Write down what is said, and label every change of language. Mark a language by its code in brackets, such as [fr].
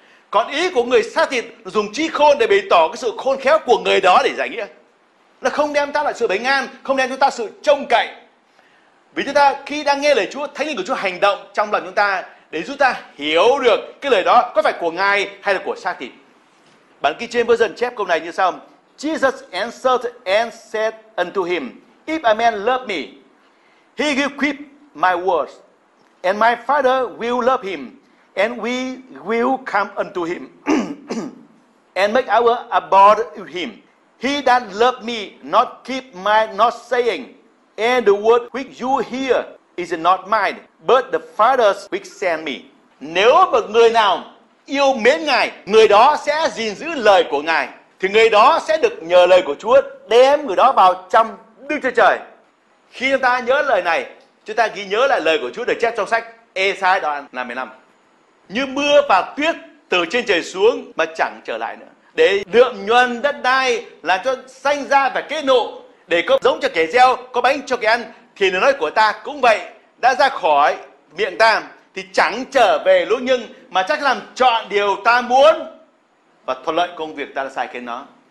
[vi] Còn ý của người xác thịt dùng trí khôn để bày tỏ cái sự khôn khéo của người đó để giải nghĩa. Nó không đem ta lại sự bình an, không đem chúng ta sự trông cậy. Vì chúng ta khi đang nghe lời Chúa, Thánh Linh của Chúa hành động trong lòng chúng ta để giúp ta hiểu được cái lời đó có phải của Ngài hay là của xác thịt. Bản kinh James Version chép câu này như sau: [en] Jesus answered and said unto him, If a man love me, he will keep my words, and my Father will love him, and we will come unto him, and make our abode with him. He that love me not keep my not saying, and the word which you hear is not mine, but the Father's which sent me. [vi] Nếu một người nào yêu mến Ngài, người đó sẽ gìn giữ lời của Ngài, thì người đó sẽ được nhờ lời của Chúa đem người đó vào trong Đức Chúa Trời. Khi chúng ta nhớ lời này, chúng ta ghi nhớ lại lời của Chúa được chép trong sách Ê-sai đoạn 55: Như mưa và tuyết từ trên trời xuống mà chẳng trở lại nữa, để lượm nhuần đất đai, làm cho xanh ra và kết nộ, để có giống cho kẻ gieo, có bánh cho kẻ ăn, thì lời nói của ta cũng vậy, đã ra khỏi miệng ta thì chẳng trở về lũ nhưng mà chắc làm trọn điều ta muốn và thuận lợi công việc ta đã sai khiến nó.